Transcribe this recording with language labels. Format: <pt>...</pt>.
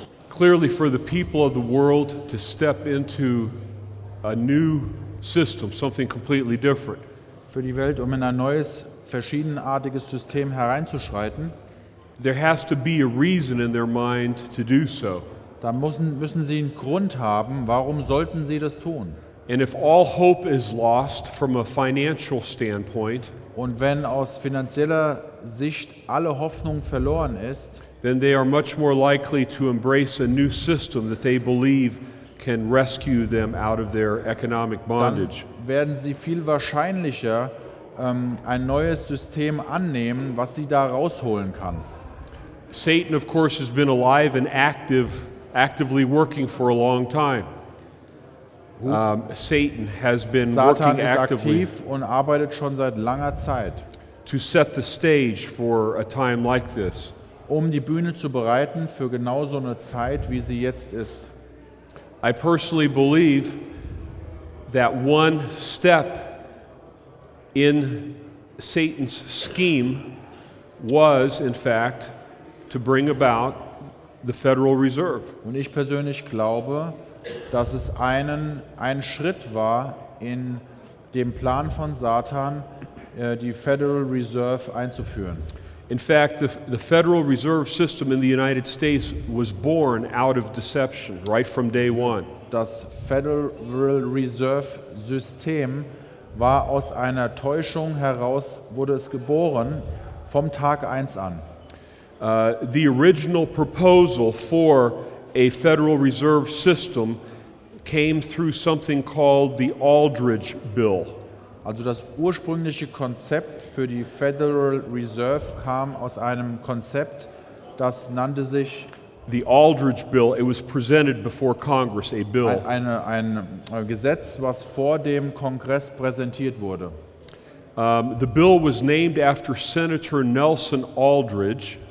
<en>Clearly, for the people of the world to step into a new system, something completely different.</en> <de>Für die Welt, um in ein neues, verschiedenartiges System hereinzuschreiten.</de> <en>There has to be a reason in their mind to do so.</en> <de>Da müssen sie einen Grund haben, warum sollten sie das tun?</de> <en>And if all hope is lost from a financial standpoint.</en> <de>Und wenn aus finanzieller Sicht alle Hoffnung verloren ist.</de> <en>Then they are much more likely to embrace a new system that they believe can rescue them out of their economic bondage.</en> <de>Dann werden sie viel wahrscheinlicher ein neues System annehmen, was sie da rausholen kann.</de> <en>Satan, of course, has been alive and actively working for a long time. Satan has been working actively</en> <de>und arbeitet schon seit langer Zeit</de> <en>to set the stage for a time like this.</en> <de>Um die Bühne zu bereiten für genau so eine Zeit, wie sie jetzt ist.</de> <en>I personally believe that one step in Satan's scheme was, in fact, to bring about the Federal Reserve.</en> <de>Und ich persönlich glaube, dass es ein Schritt war in dem Plan von Satan, die Federal Reserve einzuführen.</de> <en>In fact, the Federal Reserve System in the United States was born out of deception, right from day one.</en> <de>Das Federal Reserve System war aus einer Täuschung heraus, wurde es geboren, vom Tag 1 an.</de> <en>The original proposal for a Federal Reserve System came through something called the Aldrich Bill.</en> <de>Also das ursprüngliche Konzept für die Federal Reserve kam aus einem Konzept, das nannte sich</de> <en>the Aldrich Bill. It was presented before Congress, a bill.</en> <de>Ein Gesetz, was vor dem Kongress präsentiert wurde.</de> <en>The bill was named after Senator Nelson Aldrich.</en>